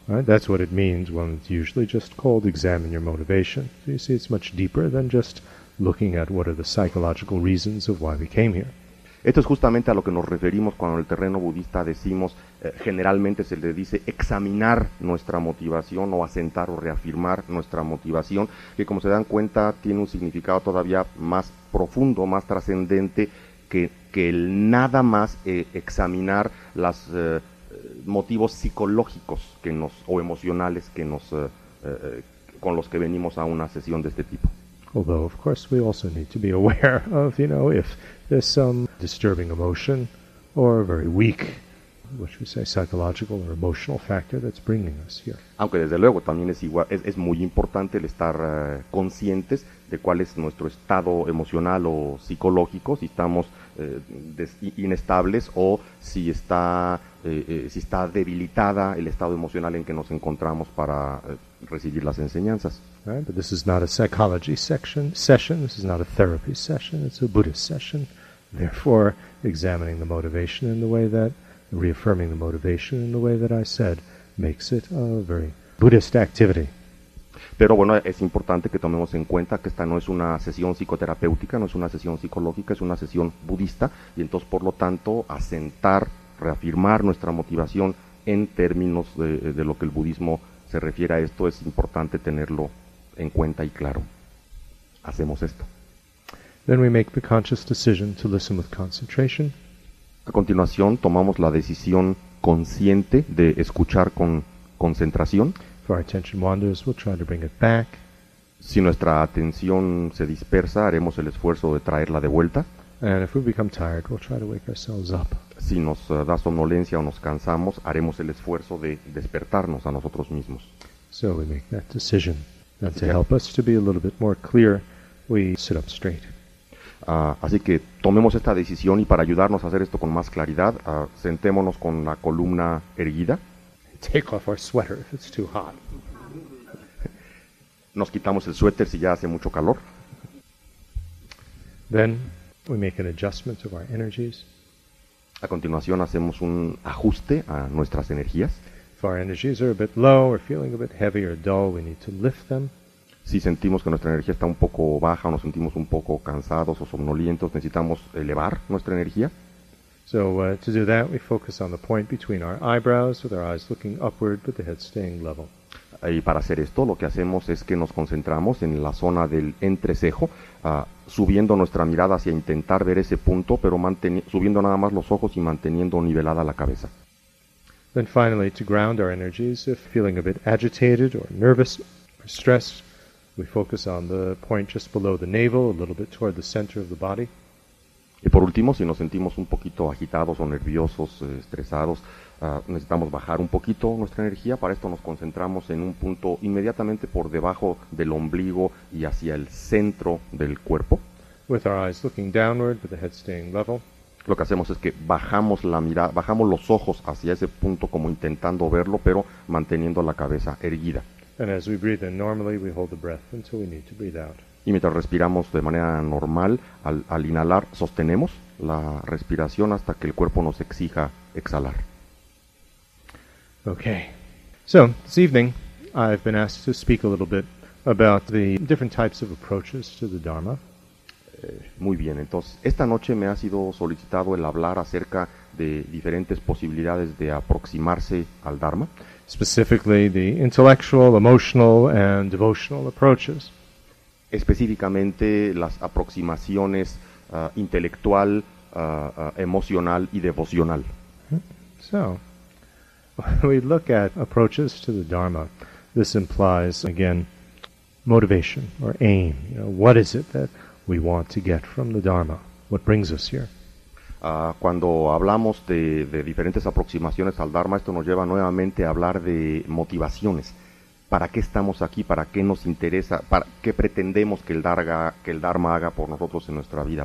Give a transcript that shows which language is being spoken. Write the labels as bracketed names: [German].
[English] Right, that's what it means when it's usually just called examine your motivation. So you see, it's much deeper than just looking at what are the psychological reasons of why we came here. [Spanish] Esto es justamente a lo que nos referimos cuando en el terreno budista decimos, generalmente se le dice examinar nuestra motivación o asentar o reafirmar nuestra motivación, que como se dan cuenta tiene un significado todavía más profundo, más trascendente que el nada más examinar los motivos psicológicos que nos o emocionales que nos con los que venimos a una sesión de este tipo. [English] Although, of course, we also need to be aware of, you know, if there's some disturbing emotion or a very weak, what should we say, psychological or emotional factor that's bringing us here. [Spanish] Aunque desde luego también es igual, es muy importante el estar conscientes de cuál es nuestro estado emocional o psicológico, si estamos inestables o si está si está debilitada el estado emocional en que nos encontramos para recibir las enseñanzas. [English] Right, but this is not a psychology session, this is not a therapy session, it's a Buddhist session. Therefore, examining the motivation in the way that, reaffirming the motivation in the way that I said, makes it a very Buddhist activity. [Spanish] Pero bueno, es importante que tomemos en cuenta que esta no es una sesión psicoterapéutica, no es una sesión psicológica, es una sesión budista, y entonces, por lo tanto, asentar, reafirmar nuestra motivación en términos de lo que el budismo se refiere a esto, es importante tenerlo en cuenta y claro. Hacemos esto. [English] Then we make the conscious decision to listen with concentration. [Spanish] A continuación, tomamos la decisión consciente de escuchar con concentración. [English] If our attention wanders, we'll try to bring it back. [Spanish] Si nuestra atención se dispersa, haremos el esfuerzo de traerla de vuelta. [English] And if we become tired, we'll try to wake ourselves up. [Spanish] Si nos da somnolencia o nos cansamos, haremos el esfuerzo de despertarnos a nosotros mismos. [English] So we make that decision. And to help us to be a little bit more clear, we sit up straight. [Spanish] Así que tomemos esta decisión y para ayudarnos a hacer esto con más claridad, sentémonos con la columna erguida. [English] Take off our sweater if it's too hot. [Spanish] Nos quitamos el suéter si ya hace mucho calor. [English] Then we make an adjustment of our energies. [Spanish] A continuación hacemos un ajuste a nuestras energías. [English] If our energies are a bit low, or feeling a bit heavy or dull, we need to lift them. [Spanish] Si sentimos que nuestra energía está un poco baja o nos sentimos un poco cansados o somnolientos, necesitamos elevar nuestra energía. [English] So to do that, we focus on the point between our eyebrows, with our eyes looking upward, but the head staying level. [Spanish] Y para hacer esto, lo que hacemos es que nos concentramos en la zona del entrecejo, subiendo nuestra mirada hacia intentar ver ese punto, pero subiendo nada más los ojos y manteniendo nivelada la cabeza. [English] Then finally, to ground our energies, if feeling a bit agitated or nervous or stressed, we focus on the point just below the navel, a little bit toward the center of the body. [Spanish] Y por último, si nos sentimos un poquito agitados o nerviosos, estresados, necesitamos bajar un poquito nuestra energía. Para esto nos concentramos en un punto inmediatamente por debajo del ombligo y hacia el centro del cuerpo. [English] With our eyes looking downward, but the head staying level. [Spanish] Lo que hacemos es que bajamos la mirada, bajamos los ojos hacia ese punto como intentando verlo, pero manteniendo la cabeza erguida. [English] And as we breathe in normally, we hold the breath until we need to breathe out. [Spanish] Y mientras respiramos de manera normal, al inhalar, sostenemos la respiración hasta que el cuerpo nos exija exhalar. [English] Okay. So, this evening, I've been asked to speak a little bit about the different types of approaches to the Dharma. [Spanish] Muy bien. Entonces, esta noche me ha sido solicitado el hablar acerca de diferentes posibilidades de aproximarse al Dharma. [English] Specifically, the intellectual, emotional, and devotional approaches. [Spanish] Específicamente las aproximaciones intelectual, emocional y devocional. [English] So, we look at approaches to the Dharma. This implies, again, motivation or aim. You know, what is it that we want to get from the Dharma? What brings us here? [Spanish] Cuando hablamos de diferentes aproximaciones al Dharma, esto nos lleva nuevamente a hablar de motivaciones. ¿Para qué estamos aquí? ¿Para qué nos interesa? ¿Para qué pretendemos que el Dharma haga por nosotros en nuestra vida?